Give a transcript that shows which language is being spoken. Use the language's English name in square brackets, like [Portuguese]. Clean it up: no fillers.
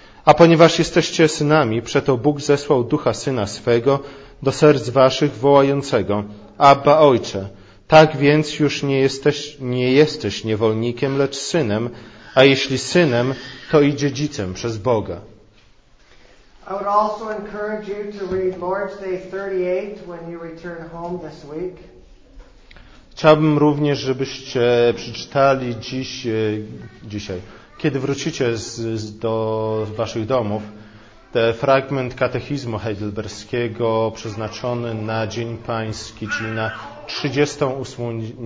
[Polish] A ponieważ jesteście synami, przeto Bóg zesłał Ducha Syna swego do serc waszych wołającego: Abba Ojcze. Tak więc już nie jesteś niewolnikiem, lecz synem, a jeśli synem, to i dziedzicem przez Boga. [English] I would also encourage you to read Lord's Day 38 when you return home this week. [Polish] Chciałbym również, żebyście przeczytali dzisiaj, kiedy wrócicie do waszych domów, ten fragment katechizmu heidelberskiego przeznaczony na Dzień Pański, czyli na 38.